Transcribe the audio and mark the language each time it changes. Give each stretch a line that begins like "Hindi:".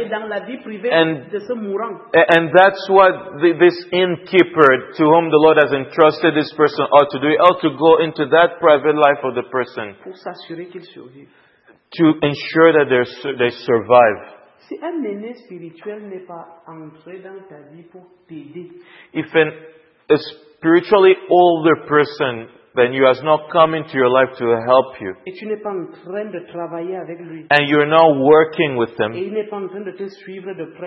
English: And that's what this innkeeper to whom the Lord has entrusted this person ought to do. He ought to go into that private life of the person. To ensure that they survive.
French: Si un aîné spirituel n'est pas entré dans ta vie pour t'aider,
English: if a spiritually older person than you has not come into your life to help you,
French: et tu n'es pas en train de travailler avec lui,
English: and you're not working with him,
French: et il n'est pas en train de te suivre de près,